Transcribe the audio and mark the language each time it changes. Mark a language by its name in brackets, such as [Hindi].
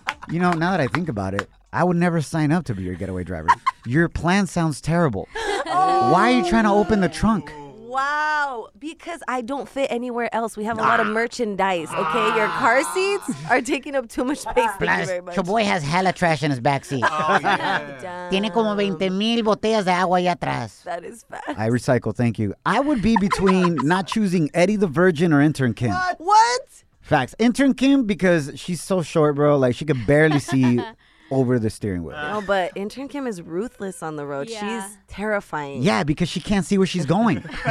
[English] You know, now that I think about it, I would never sign up to be your getaway driver. Your plan sounds terrible. Oh. Why are you trying to open the trunk? Wow, because I don't fit anywhere else. We have a lot of merchandise, okay? Your car seats are taking up too much space. Thank Plus, you very much. Your boy has hella trash in his back seat. Oh, yeah. [Spanish] Tiene como 20 mil botellas de agua allá atrás. [English] That is fast. I recycle, thank you. I would be between not choosing Eddie the Virgin or Intern Kim. What? Facts. Intern Kim, because she's so short, bro. Like, she could barely see over the steering wheel. No, but intern Kim is ruthless on the road. Yeah. She's terrifying. Yeah, because she can't see where she's going.